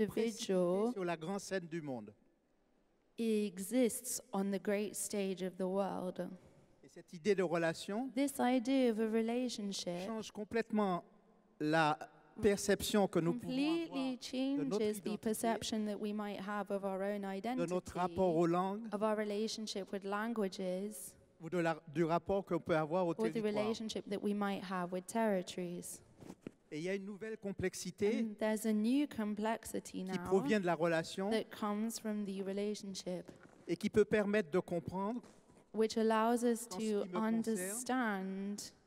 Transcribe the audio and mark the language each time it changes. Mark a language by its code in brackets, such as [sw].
[fr] est précipité sur la grande scène du monde. [en] Exists on the great stage of the world. [fr] Et cette idée de relation, [en] this idea of a relationship, [fr] change complètement la perception que nous pouvons avoir de notre identité, [en] identity, [fr] de notre rapport aux langues, [en] of our relationship with languages, [fr] ou de du rapport qu'on peut avoir au territoire, [en] or the relationship that we might have with territories. [fr] Et il y a une nouvelle complexité qui provient de la relation [en] that comes from the relationship, [fr] et qui peut permettre de comprendre, [en] which allows us to understand,